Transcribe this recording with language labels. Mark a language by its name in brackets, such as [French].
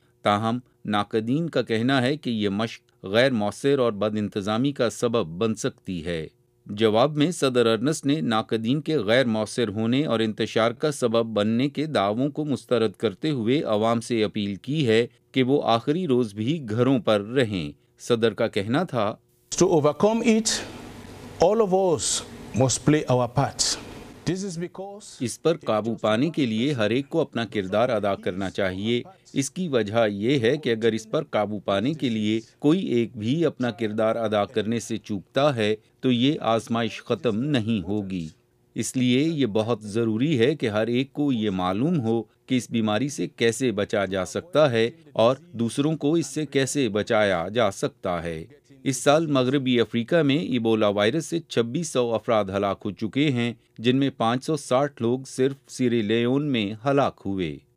[Urdu] تاہم ناقدین کا کہنا ہے کہ یہ مشق غیر مؤثر اور بد انتظامی کا سبب بن سکتی ہے. جواب میں صدر ارنسٹ نے ناقدین کے غیر مؤثر ہونے اور انتشار کا سبب بننے کے دعووں کو مسترد کرتے ہوئے عوام سے اپیل کی ہے کہ وہ آخری روز بھی گھروں پر رہیں. صدر کا کہنا تھا, [English] To overcome it, all of us must play our part. [Urdu] اس پر قابو پانے کے لیے ہر ایک کو اپنا کردار ادا کرنا چاہیے۔ اس کی وجہ یہ ہے کہ اگر اس پر قابو پانے کے لیے کوئی ایک بھی اپنا کردار ادا کرنے سے چوکتا ہے تو یہ آزمائش ختم نہیں ہوگی۔ اس لیے یہ بہت ضروری ہے کہ ہر ایک کو یہ معلوم ہو کہ اس بیماری سے کیسے بچا جا سکتا ہے اور دوسروں کو اس سے کیسے بچایا جا سکتا ہے۔ اس سال مغربی افریقہ میں ایبولا وائرس سے 2600 افراد ہلاک ہو چکے ہیں، جن میں 560 لوگ صرف سیرا لیون میں ہلاک ہوئے۔